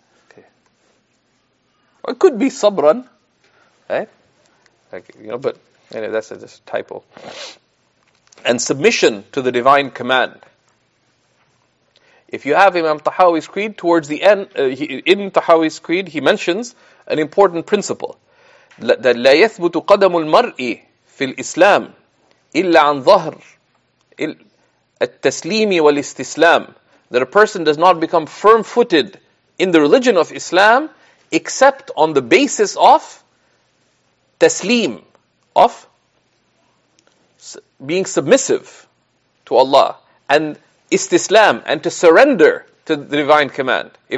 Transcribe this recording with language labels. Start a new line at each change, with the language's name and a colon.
English: Okay. Or it could be sabran, right? Like, you know, but anyway, that's just a typo. And submission to the divine command. If you have Imam Tahawi's creed, towards the end, in Tahawi's creed, he mentions an important principle.
Arabic: That لا يثبت قدم المرء في الإسلام إلا عن ظهر التسليم والاستسلام.
English: That a person does not become firm-footed in the religion of Islam except on the basis of تسليم, of being submissive to Allah and استسلام, and to surrender to the divine command.